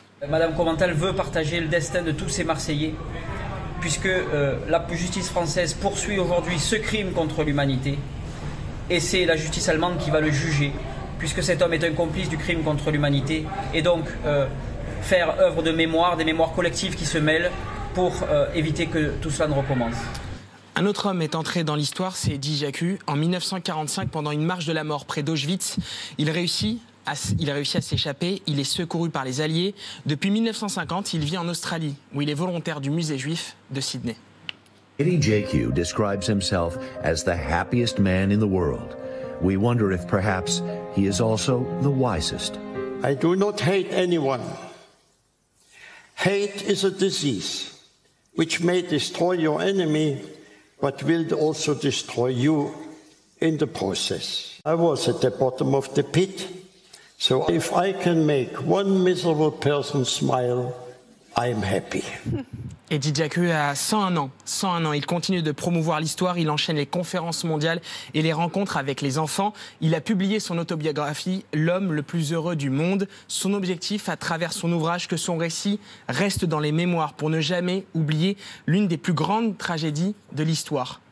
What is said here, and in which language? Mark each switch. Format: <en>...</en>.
<fr>Madame Comental veut partager le destin de tous ces Marseillais, puisque la justice française poursuit aujourd'hui ce crime contre l'humanité, et c'est la justice allemande qui va le juger, puisque cet homme est un complice du crime contre l'humanité, et donc faire œuvre de mémoire, des mémoires collectives qui se mêlent pour éviter que tout cela ne recommence. Un autre homme est entré dans l'histoire, c'est Eddie Jacu. En 1945, pendant une marche de la mort près d'Auschwitz, il réussit à s'échapper. Il est secouru par les Alliés. Depuis 1950, il vit en Australie, où il est volontaire du musée juif de Sydney. Eddie J.Q.</fr> <en>describes himself as the happiest man in the world. We wonder if perhaps he is also the wisest. I do not hate anyone. Hate is a disease which may destroy your enemy, but will also destroy you in the process. I was at the bottom of the pit, so if I can make one miserable person smile, I'm happy.</en> <fr>Eddie J.Q. a 101 ans. Il continue de promouvoir l'histoire, il enchaîne les conférences mondiales et les rencontres avec les enfants. Il a publié son autobiographie « L'homme le plus heureux du monde ». Son objectif, à travers son ouvrage, que son récit reste dans les mémoires pour ne jamais oublier l'une des plus grandes tragédies de l'histoire.</fr>